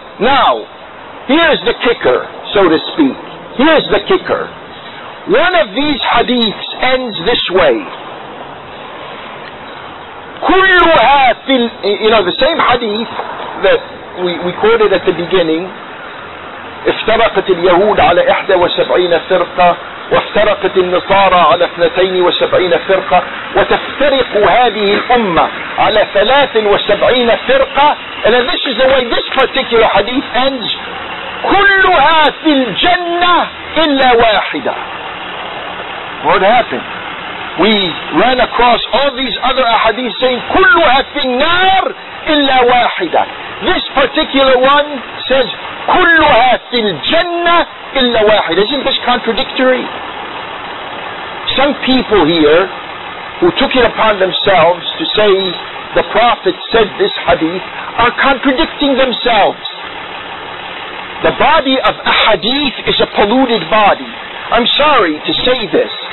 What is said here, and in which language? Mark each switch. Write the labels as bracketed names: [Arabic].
[English] Now, here's the kicker, so to speak. Here's the kicker. One of these hadiths ends this way. [Arabic] Kulluha fil, [English] you know, the same hadith that we quoted at the beginning. [Arabic] افترقت اليهود على 71 فرقة وافترقت النصارى على 72 فرقة وتفترق هذه الأمة على 73 فرقة. [English] And this is the way this particular hadith ends. [Arabic] كلها في الجنة إلا واحدة. [English] What happened? We ran across all these other ahadith saying [Arabic] كلها في النار إلا واحدة. [English] This particular one says [Arabic] كلها في الجنة إلا واحدة. [English] Isn't this contradictory? Some people here who took it upon themselves to say the Prophet said this hadith are contradicting themselves. The body of a hadith is a polluted body. I'm sorry to say this.